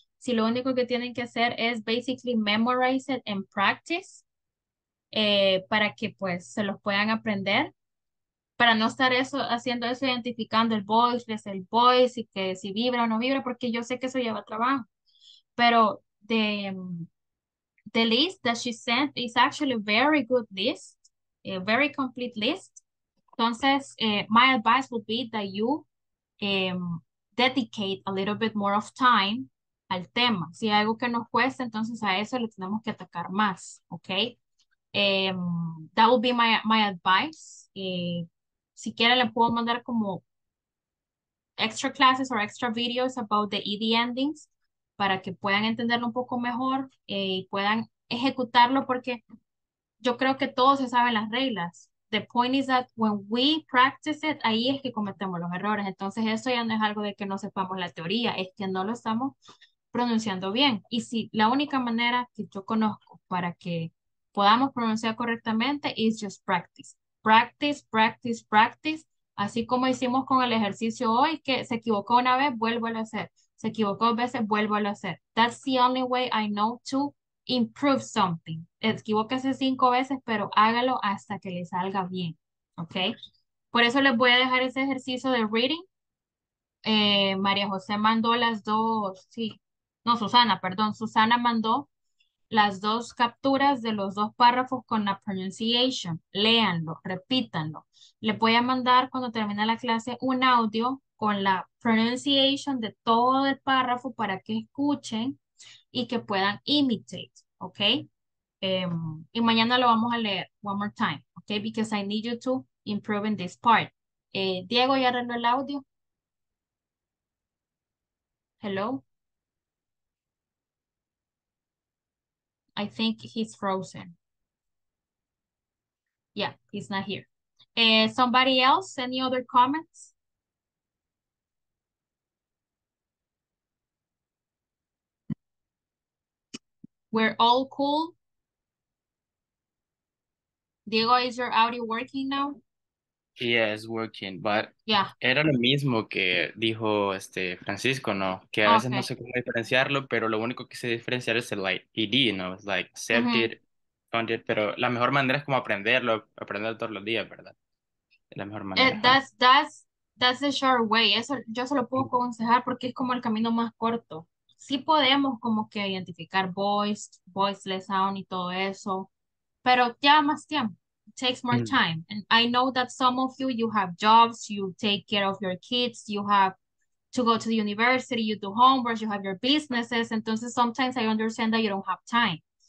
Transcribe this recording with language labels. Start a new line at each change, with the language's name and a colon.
Spanish: Si lo único que tienen que hacer es
English: basically memorize it and practice,
Spanish: para que pues se los puedan aprender, para no estar eso haciendo eso, identificando el voiceless, el voice, y que si vibra o no vibra, porque yo sé que eso lleva trabajo.
English: Pero the list that she sent is actually a very good list, a very complete list.
Spanish: Entonces,
English: my advice would be that you dedicate a little bit more of time
Spanish: al tema. Si hay algo que nos cuesta, entonces a eso le tenemos que atacar más, okay?
English: That would be my advice.
Spanish: Si quiere, le puedo mandar como
English: extra classes or extra videos about the ED endings
Spanish: para que puedan entenderlo un poco mejor y puedan ejecutarlo, porque yo creo que todos se saben las reglas.
English: The point is that when we practice it,
Spanish: ahí es que cometemos los errores. Entonces, eso ya no es algo de que no sepamos la teoría, es que no lo estamos pronunciando bien. Y si la única manera que yo conozco para que podamos pronunciar correctamente
English: is just practice. Practice, practice, practice.
Spanish: Así como hicimos con el ejercicio hoy, que se equivocó una vez, vuelvo a hacer. Se equivocó dos veces, vuelvo a hacer.
English: That's the only way I know to improve something.
Spanish: Equivóquese cinco veces, pero hágalo hasta que le salga bien, ¿ok? Por eso les voy a dejar ese ejercicio de reading. María José mandó las dos, sí, no, Susana, perdón, Susana mandó las dos capturas de los dos párrafos con la pronunciation. Léanlo, repítanlo. Les voy a mandar cuando termine la clase un audio con la pronunciation de todo el párrafo para que escuchen y que puedan imitate, ¿ok? y mañana lo vamos a leer
English: one more time, okay? Because I need you to improve in this part.
Spanish: Diego, ¿ya arregló el audio?
English: Hello? I think he's frozen. Yeah, he's not here. Somebody else, any other comments? We're all cool. Diego, is your audio working now? Yeah, it's working, but yeah.
Spanish: Era lo mismo que dijo este Francisco, ¿no? Que a veces okay. No sé cómo diferenciarlo, pero lo único que sé diferenciar es el like ED, ¿no?
English: It's like accepted, funded,
Spanish: pero la mejor manera es como aprenderlo, aprender todos los días, ¿verdad? La mejor manera.
English: That's the short way.
Spanish: Eso yo se lo puedo aconsejar porque es como el camino más corto. Sí podemos como que identificar voiceless sound y todo eso, pero ya más tiempo.
English: It takes more time. And I know that some of you, you have jobs, you take care of your kids, you have to go to the university, you do homework, you have your businesses.
Spanish: Entonces,
English: sometimes I understand that you don't have time.